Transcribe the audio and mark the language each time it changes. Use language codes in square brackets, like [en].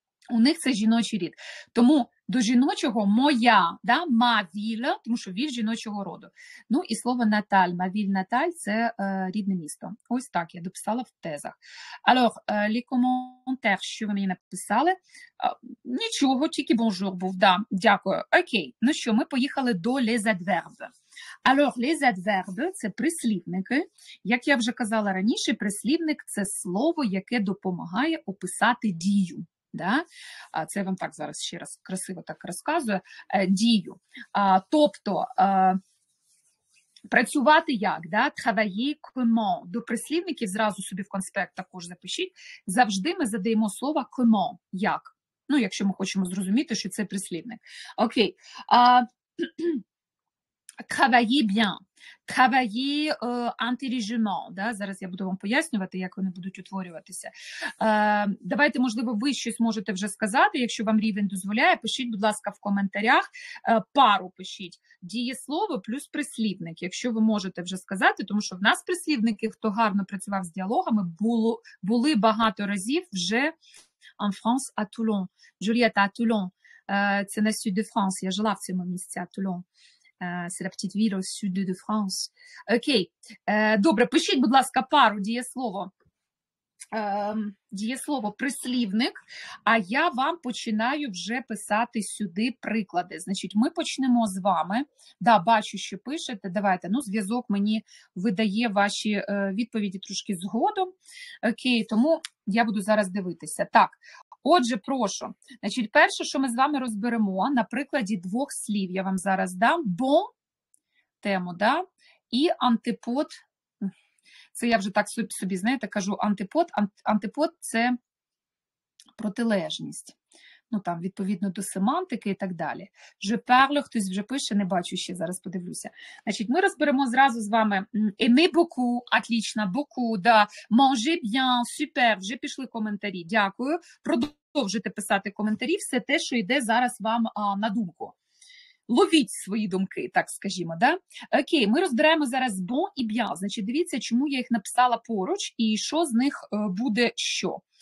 [uk] У них це жіночий рід. Тому до жіночого моя, да, [fr] ma ville, [uk] тому що віль жіночого роду. Ну і слово Наталь, [fr] ma ville Natale, [uk] це рідне місто. Ось так я дописала в тезах. [fr] Alors, les commentaires, [uk] що ви мені написали? Нічого, тільки bonjour був, да, дякую. Окей, ну що, ми поїхали до [fr] les adverbes. Alors, les adverbes [uk] – це прислівники. Як я вже казала раніше, прислівник – це слово, яке допомагає описати дію. Да? Це я вам так зараз ще раз красиво так розказую, дію. Тобто, працювати як, да? [fr] Travailler comment? [uk] До прислівників зразу собі в конспект також запишіть. Завжди ми задаємо слово comment, як. Ну, якщо ми хочемо зрозуміти, що це прислівник. Окей. [fr] Travailler bien. Travailler intelligemment, да? [uk] Зараз я буду вам пояснювати, як вони будуть утворюватися. Давайте, можливо, ви щось можете вже сказати, якщо вам рівень дозволяє, пишіть, будь ласка, в коментарях, пару пишіть, дієслово плюс прислівник, якщо ви можете вже сказати, тому що в нас прислівники, хто гарно працював з діалогами, були багато разів вже [fr] en France à Toulon, [uk] Джульєта à Toulon, це на Сюд де Франс, я жила в цьому місці, à Toulon. [fr] C'est la petite ville au sud de France. [uk] Окей. Добре, пишіть, будь ласка, пару дієслово. Дієслово прислівник, а я вам починаю вже писати сюди приклади. Значить, ми почнемо з вами. Да, бачу, що пишете. Давайте, ну, зв'язок мені видає ваші відповіді трошки згодом. Окей, тому я буду зараз дивитися. Так. Отже, прошу, значить, перше, що ми з вами розберемо, на прикладі двох слів я вам зараз дам, бо, тему, да, і антипод, Це я вже так собі, знаєте, кажу антипод. Антипод – це протилежність. Ну, там, відповідно до семантики і так далі. [fr] Je parle, [uk] хтось вже пише, не бачу ще, зараз подивлюся. Значить, ми розберемо зразу з вами. [fr] Aimer beaucoup, отлично, beaucoup, да. Manger bien, [uk] super, вже пішли коментарі. Дякую. Продовжуйте писати коментарі, все те, що йде зараз вам на думку. Ловіть свої думки, так скажімо, да? Окей, ми розбираємо зараз [fr] bon і bien. [uk] Значить, дивіться, чому я їх написала поруч і що з них буде що.